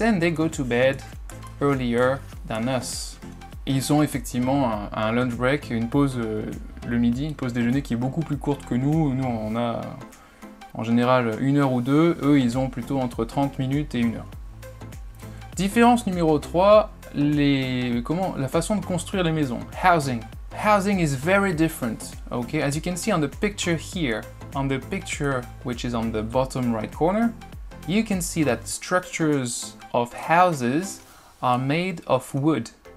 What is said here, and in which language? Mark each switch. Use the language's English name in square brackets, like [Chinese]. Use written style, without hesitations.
[English] And they go to bed earlier than us. [French] Ils ont effectivement un lunch break, une pause le midi, une pause déjeuner qui est beaucoup plus courte que nous. Nous, on a en général une heure ou deux. Eux, ils ont plutôt entre 30 minutes et une heure. Différence numéro 3, la façon de construire les maisons. [English] Housing. Housing is very different, okay? As you can see on the picture here, on the picture which is on the bottom right corner, you can see that structures of houses are made of wood.